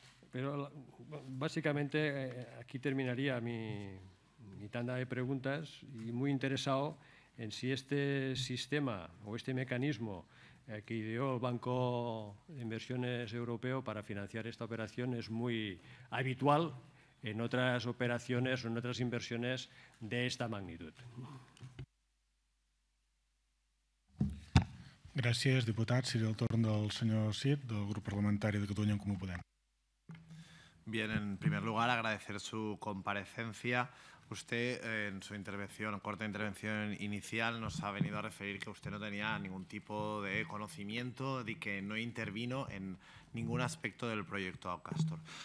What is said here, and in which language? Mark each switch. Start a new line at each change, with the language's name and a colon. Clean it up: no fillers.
Spanish: Pero básicamente aquí terminaría mi tanda de preguntas y muy interesado en si este sistema o este mecanismo que ideó el Banco de Inversiones Europeo para financiar esta operación es muy habitual en otras operaciones o en otras inversiones de esta magnitud.
Catalan: Gràcies, diputat. Seria el torn del senyor Cid, del grup parlamentari de Catalunya en Comú Podem.
Spanish: Bien, en primer lugar, agradecer su comparecencia. Usted, en su intervención, corta intervención inicial, nos ha venido a referir que usted no tenía ningún tipo de conocimiento de que no intervino en ningún aspecto del proyecto Outcastor.